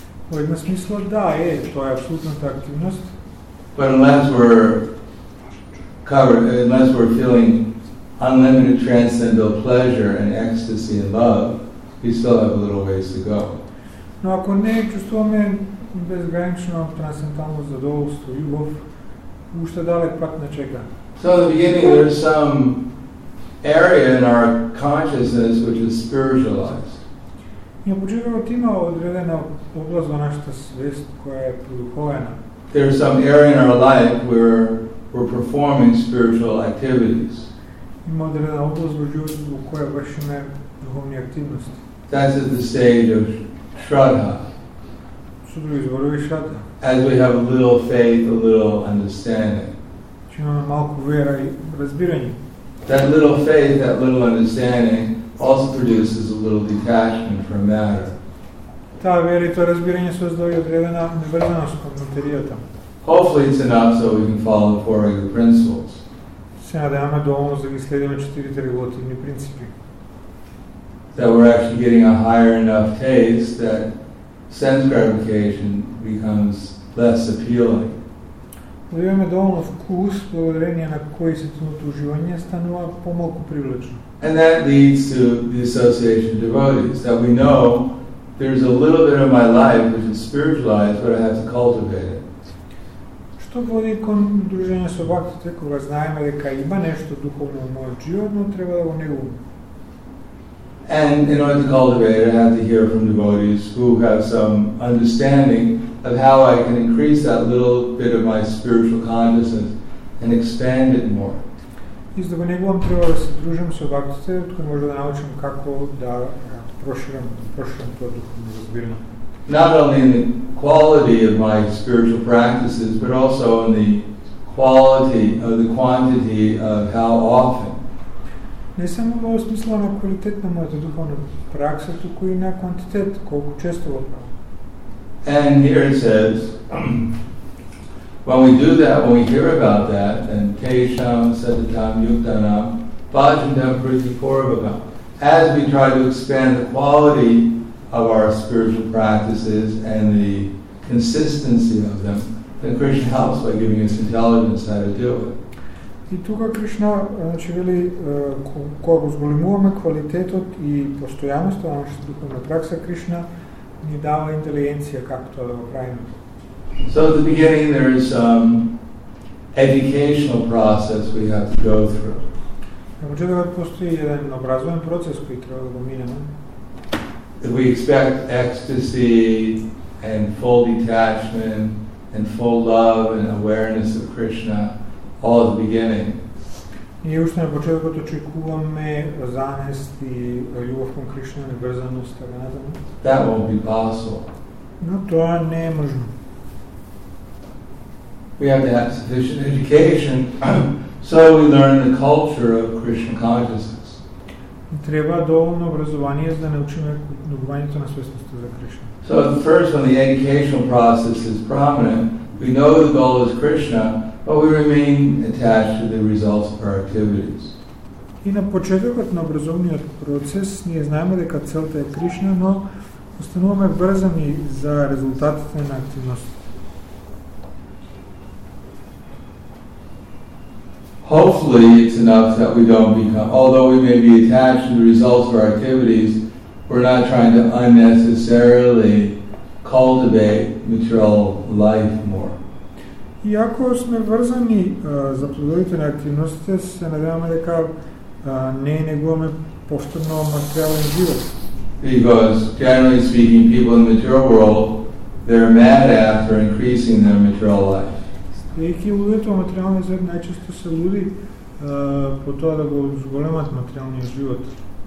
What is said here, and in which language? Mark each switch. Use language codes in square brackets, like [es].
[en] But unless we're feeling unlimited transcendental pleasure and ecstasy and love, we still have a little ways to go. [mk] Но ако не чувствуваме безгранично трансцендентално задоволство, љубов, уште далек пак не чека. [en] So in the beginning, there's some area in our consciousness which is spiritualized. [mk] Ја почитувате има одредена област во нашата свест која е продуховена. [en] There's some area in our life where we're performing spiritual activities. [mk] Има одредена област во животот во која вршиме духовни активности. [en] That's at the stage of Shraddha. [mk] Со други зборови Shraddha. [en] As we have a little faith, a little understanding. [mk] Малку вера и разбирање. [en] That little faith, that little understanding also produces a little detachment from matter. [mk] Таа вера и тоа разбирање создаја одредена неврзаност кон материјата. [en] Hopefully it's enough so we can follow the four regular principles. [mk] Се надеваме доволно за да ги следиме четирите регулативни принципи. [en] That we're actually getting a higher enough taste that sense gratification becomes less appealing. [mk] Да имаме доволно вкус, благодарение на кој сетното уживање станува помалку привлечно. [en] And that leads to the association of devotees, that we know there's a little bit of my life which is spiritualized, but I have to cultivate it. [mk] Што води кон дружење со бактите, кога знаеме дека има нешто духовно во мојот живот, но треба да го негуваме. [en] And in order to cultivate it, I have to hear from devotees who have some understanding of how I can increase that little bit of my spiritual consciousness and expand it more. [mk] Исто го негувам, треба да се дружам со бактите, од кои може да научам како да проширам тоа духовно разбирање. [en] Not only in the quality of my spiritual practices, but also in the quality of the quantity of how often. [mk] Не само во смисла на квалитет на мојата духовна пракса, туку и на квантитет, колку често го правам. [en] And here it says, When we do that, when we hear about that, then [sa] Tesham Sadatam Yukdanam Bhajandam Priti Koravagam. [en] As we try to expand the quality of our spiritual practices and the consistency of them, then Krishna helps by giving us intelligence how to do it. [mk] И тука Кришна, значи, вели, кога го зголемуваме квалитетот и постојаноста на нашата духовна пракса, Кришна ни дава интелигенција како тоа да го правиме. [en] So at the beginning there is some educational process we have to go through. [mk] На почетокот постои еден образовен процес кој треба да го минеме. [en] If we expect ecstasy and full detachment and full love and awareness of Krishna all at the beginning. [mk] Ние уште на почетокот очекуваме занест и љубов кон Кришна, неврзаност, така натаму. [en] That won't be possible. [mk] Но тоа не е можно. [en] We have to have sufficient education so we learn the culture of Krishna consciousness. [mk] Треба доволно образование за да научиме духовањето на свесноста за Кришна. [en] So at first when the educational process is prominent, we know the goal is Krishna, but we remain attached to the results of our activities. [mk] И на почетокот на образовниот процес ние знаеме дека целта е Кришна, но остануваме врзани за резултатите на активностите. [en] Hopefully it's enough that we don't become, although we may be attached to the results of our activities, we're not trying to unnecessarily cultivate material life more. [mk] Иако сме врзани за плодовите на активностите, се надеваме дека не негуваме повторно материален живот. [en] Because generally speaking, people in the material world, they're mad after increasing their material life. [mk] Бидејќи луѓето во материјалниот свет најчесто се луди по тоа да го зголемат материјалниот живот.